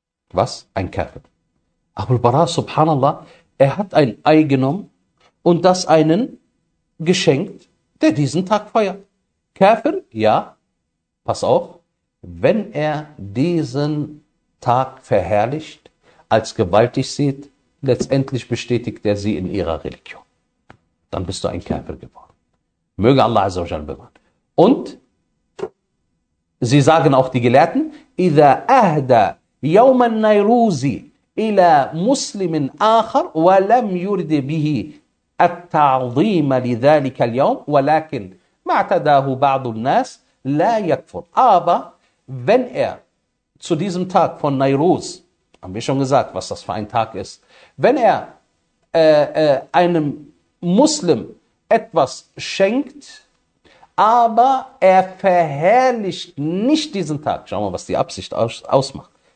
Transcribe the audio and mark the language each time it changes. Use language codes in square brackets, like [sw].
[de] Was? Ein Kafir. Abul Bara, subhanallah, er hat ein Ei genommen und das einen geschenkt, der diesen Tag feiert. Kafir, ja, pass auf, wenn er diesen Tag verherrlicht, als gewaltig sieht, letztendlich bestätigt er sie in ihrer Religion. Dann bist du ein Kafir geworden. Möge Allah azza wa jalla bewahren. Und sie sagen auch die Gelehrten, [ar] إِذَا أَهْدَى يَوْمَ النَّيْرُوزِ إلى مسلم آخر ولم يرد به التعظيم لذلك اليوم ولكن ما اعتداه بعض الناس لا يكفر. [de] Aber wenn er zu diesem Tag von Nairuz, haben wir schon gesagt, was das für ein Tag ist, wenn er einem Muslim etwas schenkt, aber er verherrlicht nicht diesen Tag, schauen wir, was die Absicht ausmacht.